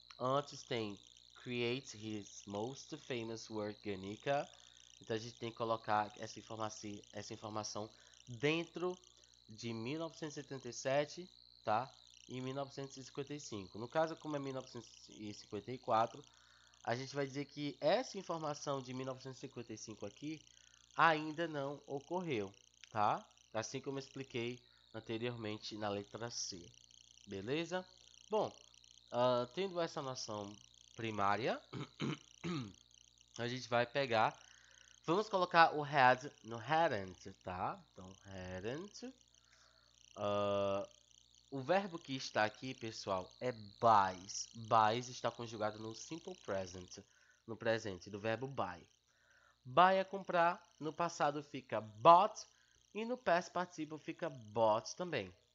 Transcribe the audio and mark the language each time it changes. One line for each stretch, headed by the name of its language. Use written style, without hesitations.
Portuguese: Antes tem
English: create his most famous work, Guernica.
Portuguese: Então, a gente tem que colocar essa informação dentro. De 1977, tá? E 1955. No caso, como é 1954, a gente vai dizer que essa informação de 1955 aqui ainda não ocorreu, tá? Assim como eu expliquei anteriormente na letra C. Beleza? Bom, tendo essa noção primária, a gente vai pegar. Vamos colocar o had no hadn't, tá? Então, hadn't. O verbo que está aqui, pessoal, é buys. Buys está conjugado no simple present, no presente do verbo buy. Buy é comprar, no passado fica bought e no past participle fica bought também.